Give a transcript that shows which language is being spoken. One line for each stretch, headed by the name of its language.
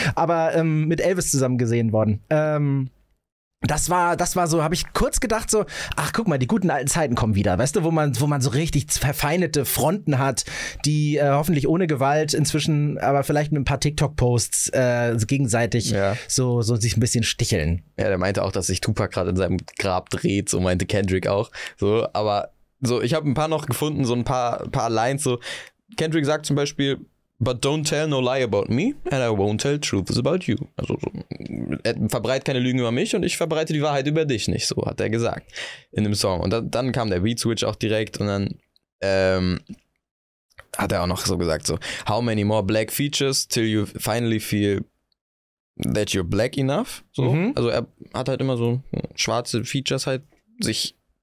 German: Aber mit Elvis zusammen gesehen worden. Das war so, habe ich kurz gedacht, so, ach guck mal, die guten alten Zeiten kommen wieder, weißt du, wo man so richtig verfeinete Fronten hat, die hoffentlich ohne Gewalt inzwischen, aber vielleicht mit ein paar TikTok-Posts gegenseitig so sich ein bisschen sticheln. Ja, der meinte auch, dass sich Tupac gerade in seinem Grab dreht, so meinte Kendrick auch. So, aber so, ich habe ein paar noch gefunden, so ein paar Lines. So, Kendrick sagt zum Beispiel,
English: but don't tell no lie about me, and I won't tell truths about you.
German: Also, verbreit keine Lügen über mich und ich verbreite die Wahrheit über dich nicht, so hat er gesagt in dem Song. Und dann kam der Beat Switch auch direkt und dann hat er auch noch so gesagt, so,
English: how many more black features till you finally feel that you're black enough?
German: So. Also er hat halt immer so schwarze Features halt sich